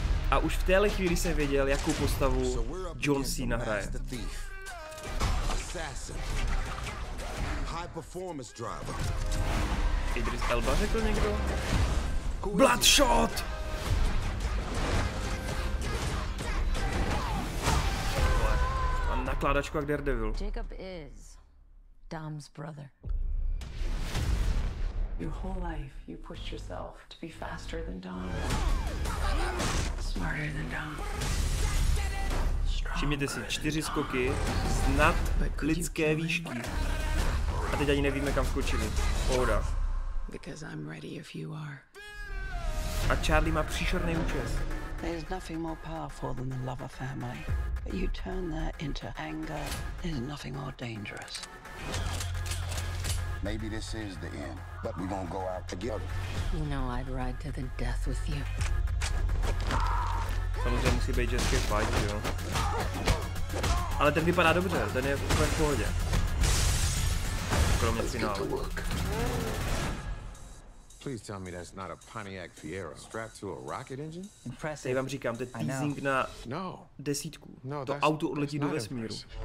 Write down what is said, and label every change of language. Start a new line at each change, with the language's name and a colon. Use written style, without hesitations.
Czech: A už v téhle chvíli jsem věděl, jakou postavu John Cena hraje.
English: Assassin. High performance driver.
Czech: Idris Elba řekl někdo? Bloodshot! A nakládačku jak Daredevil.
English: Jacob is Dom's brother. Your whole life you pushed yourself to be faster than Dom. Smarter than Dom.
Czech: Všimněte si, 4 skoky z nad lidské výšky. A teď ani nevíme, kam skočili. Pohoda.
English: Because I'm ready if you are.
Czech: A Charlie má příšerný účes.
English: There's nothing more powerful than the love of family. But you turn that into anger. There's nothing more dangerous. Maybe this is the end, but we won't go out together. You know I'd ride to the death with you.
Czech: Samozřejmě musí být ženský fight, jo. Ale ten vypadá dobře, ten je úplně v pohodě. Kromě finálu.
English: Please tell me that's not a Pontiac Fiero strapped to a rocket engine. Impressive.
Czech: Teď vám říkám, to je teasing na desítku. No, to auto odletí do vesmíru.